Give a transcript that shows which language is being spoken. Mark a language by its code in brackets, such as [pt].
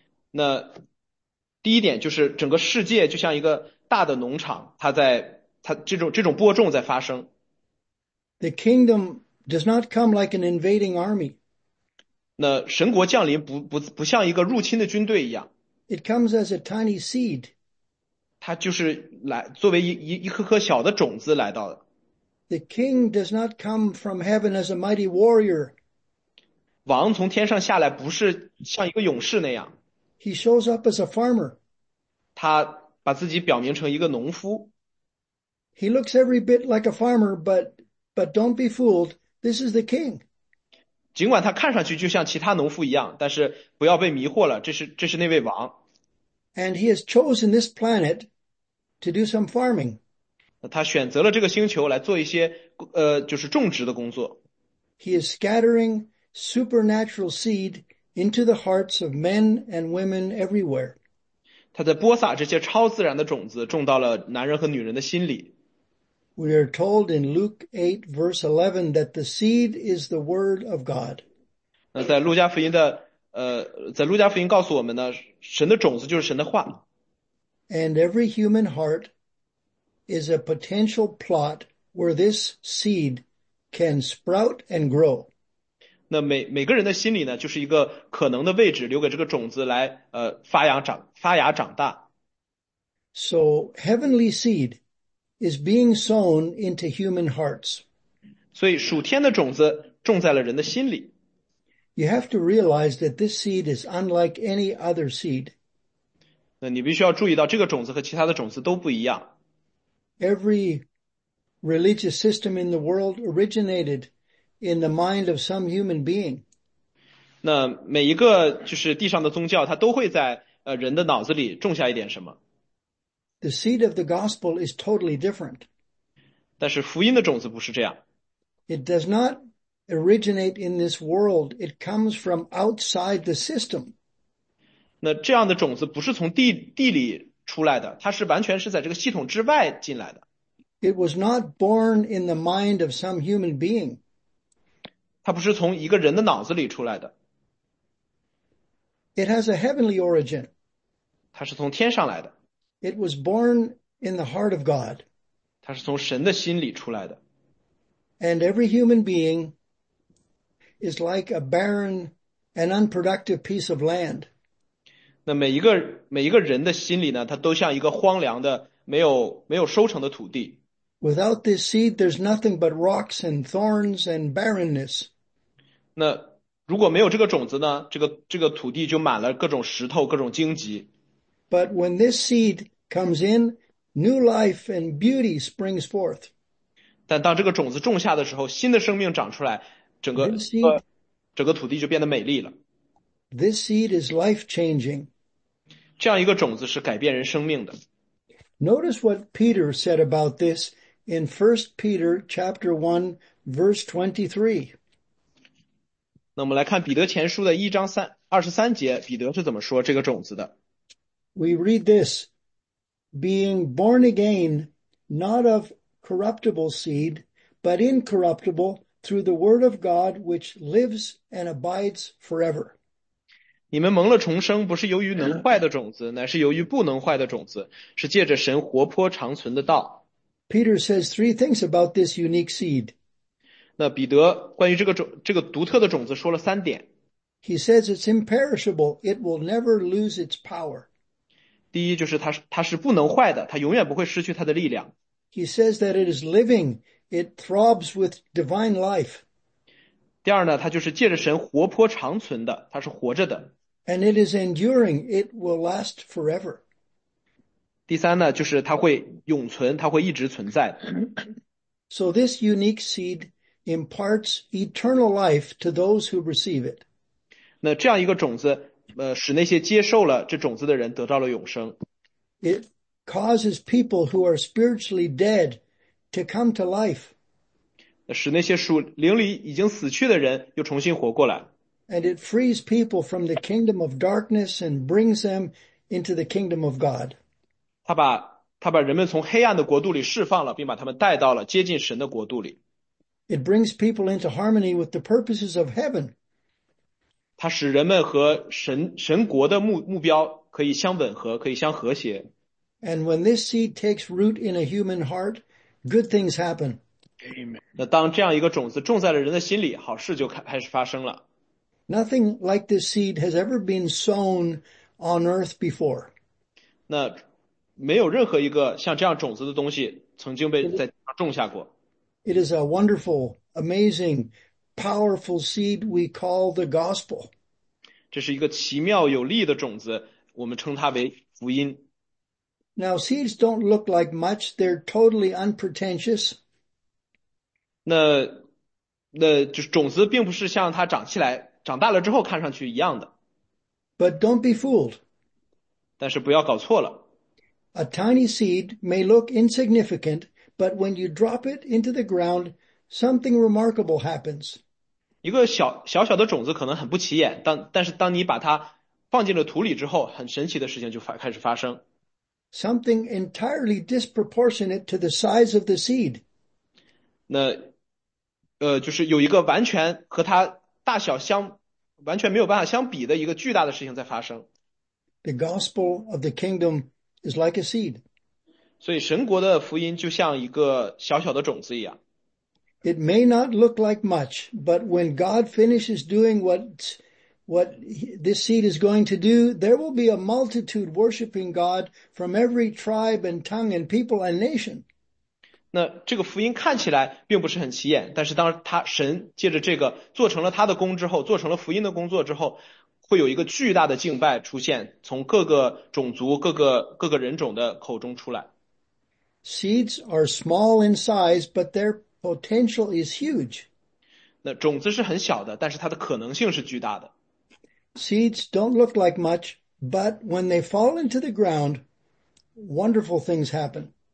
[zh] 那第一点就是整个世界就像一个大的农场，它这种播种在发生。 [en] The kingdom does not come like an invading army. [zh] 那神国降临不像一个入侵的军队一样。 [en] It comes as a tiny seed. [zh] 它就是来作为一颗颗小的种子来到的。 [en] The king does not come from heaven as a mighty warrior. [zh] 王从天上下来不是像一个勇士那样。 [en] He shows up as a farmer. [zh] 他把自己表明成一个农夫。 [en] He looks every bit like a farmer, but don't be fooled. This is the king. [zh] 尽管他看上去就像其他农夫一样，但是不要被迷惑了，这是那位王。 [en] And he has chosen this planet to do some farming. [zh] 他选择了这个星球来做一些就是种植的工作。 [en] He is scattering supernatural seed into the hearts of men and women everywhere. [zh] 他在播撒这些超自然的种子，种到了男人和女人的心里。 [en] We are told in Luke 8, verse 11, that the seed is the word of God. [zh] 那在路加福音的在路加福音告诉我们呢，神的种子就是神的话。 [en] And every human heart is a potential plot where this seed can sprout and grow. [zh] 那每个人的心里呢，就是一个可能的位置，留给这个种子来发芽长大。 [en] So heavenly seed is being sown into human hearts. [zh] 所以属天的种子种在了人的心里。 [en] You have to realize that this seed is unlike any other seed. [zh] 那你必须要注意到，这个种子和其他的种子都不一样。 [en] Every religious system in the world originated in the mind of some human being. [zh] 那每一个就是地上的宗教，它都会在人的脑子里种下一点什么。 [en] The seed of the gospel is totally different. [zh] 但是福音的种子不是这样。 [en] It does not originate in this world. It comes from outside the system. [zh] 那这样的种子不是从地里出来的，它是完全是在这个系统之外进来的。 [en] It was not born in the mind of some human being. [zh] 它不是从一个人的脑子里出来的。 [en] It has a heavenly origin. [zh] 它是从天上来的。 [en] It was born in the heart of God. [zh] 它是从神的心里出来的。 [en] And every human being is like a barren and unproductive piece of land. [zh] 那每一个人的心里呢，它都像一个荒凉的、没有收成的土地。 [en] Without this seed, there's nothing but rocks and thorns and barrenness. [zh] 那如果没有这个种子呢？这个土地就满了各种石头、各种荆棘。 [en] But when this seed comes in, new life and beauty springs forth. [zh] 但当这个种子种下的时候，新的生命长出来，整个土地就变得美丽了。 [en] This seed is life-changing. [zh] 这样一个种子是改变人生命的。 [en] Notice what Peter said about this in 1 Peter chapter 1, verse 23. [zh] 那我们来看彼得前书的1章23节，彼得是怎么说这个种子的。 [en] We read this, being born again, not of corruptible seed, but incorruptible through the word of God, which lives and abides forever. [zh] 你们蒙了重生，不是由于能坏的种子，乃是由于不能坏的种子，是借着神活泼长存的道。 [en] Peter says three things about this unique seed. [zh] 那彼得关于这个独特的种子说了三点。 [en] He says it's imperishable, it will never lose its power. [zh] 第一就是它是不能坏的，它永远不会失去它的力量。 [en] He says that it is living, it throbs with divine life. [zh] 第二呢，它就是借着神活泼长存的，它是活着的。 [en] And it is enduring, it will last forever. [zh] 第三呢，就是它会永存，它会一直存在的。 [en] So this unique seed imparts eternal life to those who receive it. [zh] 那这样一个种子，使那些接受了这种子的人得到了永生。 [en] It causes people who are spiritually dead to come to life. [zh] 使那些属灵里已经死去的人又重新活过来。 [en] And it frees people from the kingdom of darkness and brings them into the kingdom of God. [zh] 他把人们从黑暗的国度里释放了，并把他们带到了接近神的国度里。 [en] It brings people into harmony with the purposes of heaven. [zh] 他使人们和神国的目标可以相吻合，可以相和谐。 [en] And when this seed takes root in a human heart, good things happen. Amen. [zh] 那当这样一个种子种在了人的心里，好事就开始发生了。 [en] Nothing like this seed has ever been sown on earth before. [zh] 那没有任何一个像这样种子的东西曾经被在地上种下过。 [en] It is a wonderful, amazing, powerful seed we call the gospel. [zh] 这是一个奇妙有力的种子，我们称它为福音。 [en] Now seeds don't look like much, they're totally unpretentious. [zh] 那就是种子并不是像它长起来长大了之后看上去一样的。 [en] But don't be fooled. [zh] 但是不要搞错了。 [en] A tiny seed may look insignificant, but when you drop it into the ground, something remarkable happens. [zh] 一个小小的种子可能很不起眼，但是当你把它放进了土里之后，很神奇的事情就开始发生。 [en] Something entirely disproportionate to the size of the seed. [zh] 那就是有一个完全和它大小相完全没有办法相比的一个巨大的事情在发生。 [en] The gospel of the kingdom is like a seed. [zh] 所以神国的福音就像一个小小的种子一样。 [en] It may not look like much, but when God finishes doing what this seed is going to do, there will be a multitude worshiping God from every tribe and tongue and people and nation. [zh] 那这个福音看起来并不是很起眼，但是当他神借着这个做成了他的工之后，做成了福音的工作之后，会有一个巨大的敬拜出现，从各个种族、各个人种的口中出来。 [en] Seeds are small in size, but their potential is huge. [zh] 那种子是很小的，但是它的可能性是巨大的。 [en] Seeds don't look like much, But when they fall into the ground, wonderful things happen.